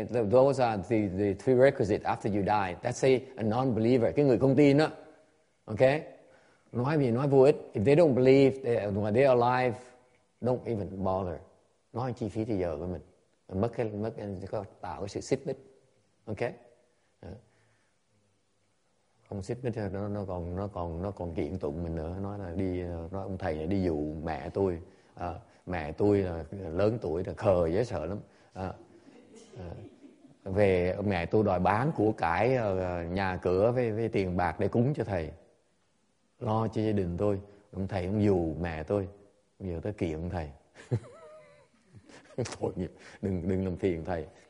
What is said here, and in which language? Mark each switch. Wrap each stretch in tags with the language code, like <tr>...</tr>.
<en>Those are the three requisites after you die. Let's say a non-believer,</en> <vi>cái người không tin đó. Okay? Nói vô ích.</vi> <en>If they don't believe, they're alive, don't even bother.</en> <vi>Nói chi phí thì giờ của mình. Mất có tạo cái sự xích mích. Okay? Không xích mích nó còn kiện tụng mình nữa, nói là đi, nói ông thầy này đi dụ mẹ tôi, mẹ tôi là lớn tuổi là khờ dễ sợ lắm, về mẹ tôi đòi bán của cải, nhà cửa với tiền bạc để cúng cho thầy, lo cho gia đình tôi, ông thầy ông dụ mẹ tôi, bây giờ tới kiện thầy, tội nghiệp, đừng làm phiền thầy.</vi>